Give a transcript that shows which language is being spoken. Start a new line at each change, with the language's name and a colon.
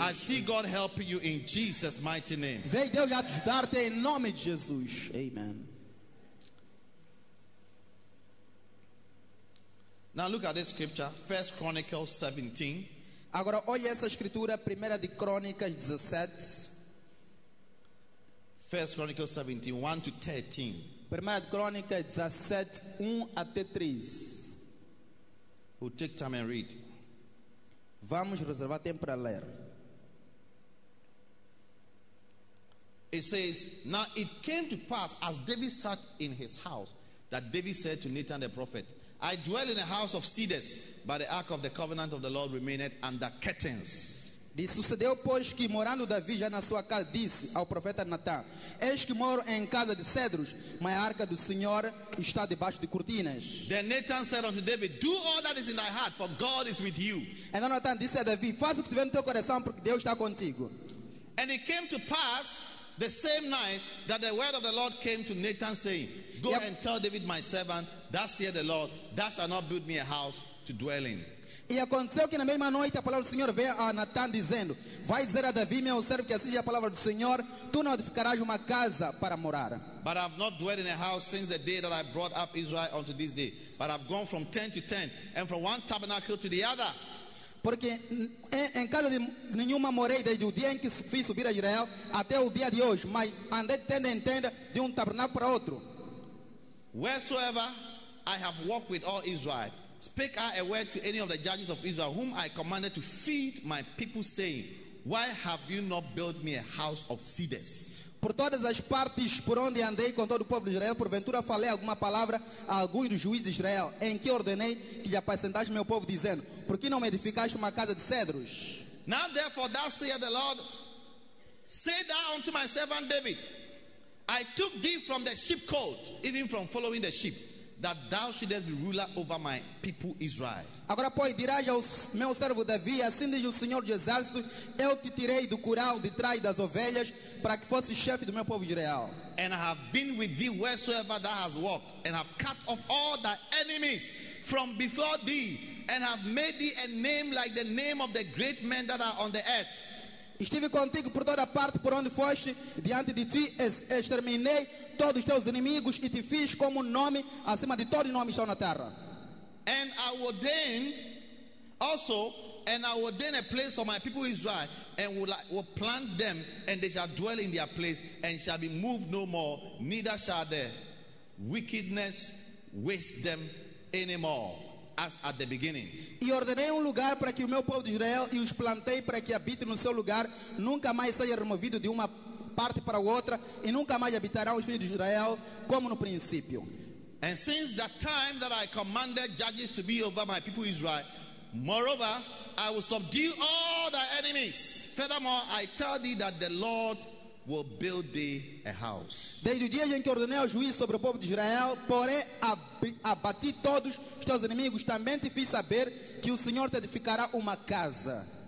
English: I see God helping you in Jesus' mighty name.
Portuguese: Vem Deus ajudar-te em nome de Jesus.
English: Amen. Now look at this scripture, 1 Chronicles 17.
Portuguese: Agora olha essa escritura, 1 de Crônicas 17.
English: 1 Chronicles 17, 1 to 13.
Portuguese: 1 de Crônicas 17, 1 até 3.
English: We'll take time and read.
Portuguese: Vamos reservar tempo para ler.
English: It says, now it came to pass as David sat in his house that David said to Nathan the prophet, I dwell in a house of cedars, but the ark of the covenant of the Lord remained under curtains.
Portuguese: E sucedeu, pois, que morando Davi já na sua casa, disse ao profeta Natan, eis que moro em casa de cedros, mas a arca do Senhor está debaixo de cortinas.
English: Then Nathan said unto David, do all that is in thy heart, for God is with you.
Portuguese: Então Natan disse a Davi, faz o que tiver no teu coração, porque Deus está contigo.
English: And it came to pass the same night that the word of the Lord came to Nathan, saying, go and tell David my servant, thus saith the Lord, thou shalt not build me a house to dwell in.
Portuguese: E aconteceu que na mesma noite a palavra do Senhor veio a Natan dizendo, vai dizer a Davi, meu servo, que assim diz a palavra do Senhor, tu não edificarás uma casa para morar.
English: But I have not dwelt in a house since the day that I brought up Israel unto this day, but I have gone from tent to tent, and from one tabernacle to the other.
Portuguese: Porque em casa de nenhuma morei desde o dia em que fui subir a Israel até o dia de hoje, mas andei tendo em tenda de tabernáculo para outro.
English: Wheresoever I have walked with all Israel, speak I a word to any of the judges of Israel, whom I commanded to feed my people, saying, why have you not built me a house of cedars?
Portuguese: Por todas as partes por onde andei com todo o povo de Israel, porventura falei alguma palavra a alguns dos juízes de Israel, em que ordenei que lhe apacentasse meu povo, dizendo, por que não me edificaste uma casa de cedros?
English: Now therefore, thus saith the Lord, say thou unto my servant David, I took thee from the sheepcote, even from following the sheep, that thou shouldest be ruler over my people Israel.
Portuguese: Agora pois dirás ao meu servo Davi, assim diz o Senhor dos exércitos, eu te tirei do curral de trás das ovelhas para que fosse chefe do meu povo Israel.
English: And I have been with thee wheresoever thou hast walked, and have cut off all thy enemies from before thee, and have made thee a name like the name of the great men that are on the earth.
Portuguese: Estive contigo por toda parte por onde foste, diante de ti exterminei todos os teus inimigos e te fiz como nome acima de todo nome que está na terra.
English: And I will then also, and I will then a place for my people Israel, and will plant them, and they shall dwell in their place, and shall be moved no more, neither shall their wickedness waste them anymore. As at the beginning.
Portuguese: E ordenei lugar para que o meu povo de Israel e os plantei para que habite no seu lugar, nunca mais seja removido de uma parte para outra, e nunca mais habitarão os filhos de Israel como no princípio.
English: And since that time that I commanded judges to be over my people Israel, moreover, I will subdue all thy enemies. Furthermore, I tell thee that the Lord will build thee a house.
Portuguese: Desde o dia em que ordenei ao juiz sobre o povo de Israel, porém abati todos os teus inimigos, também te fiz saber que o Senhor te edificará uma casa.